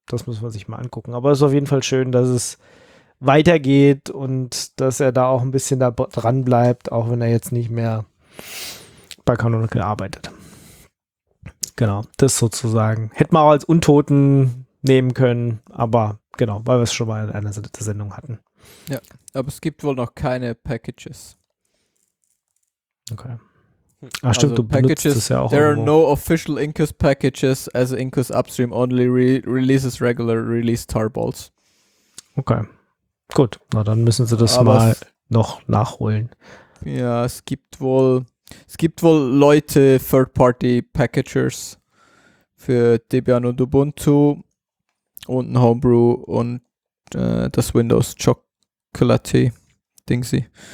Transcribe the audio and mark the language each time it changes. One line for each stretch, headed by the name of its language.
German: Das muss man sich mal angucken, aber es ist auf jeden Fall schön, dass es weitergeht und dass er da auch ein bisschen da dran bleibt, auch wenn er jetzt nicht mehr bei Canonical arbeitet. Genau, das sozusagen. Hätte man auch als Untoten nehmen können, aber genau, weil wir es schon mal in einer Sendung hatten. Ja, aber es gibt wohl noch keine Packages. Okay. Ach stimmt, also du Packages, benutzt es ja auch.
English: There are no official Incus Packages, as Incus Upstream only releases regular release tarballs.
German: Okay. Gut, na dann müssen sie das mal noch nachholen. Ja, es gibt wohl Leute, Third-Party-Packagers für Debian und Ubuntu und ein Homebrew und das Windows Chocolaty-Dingsy.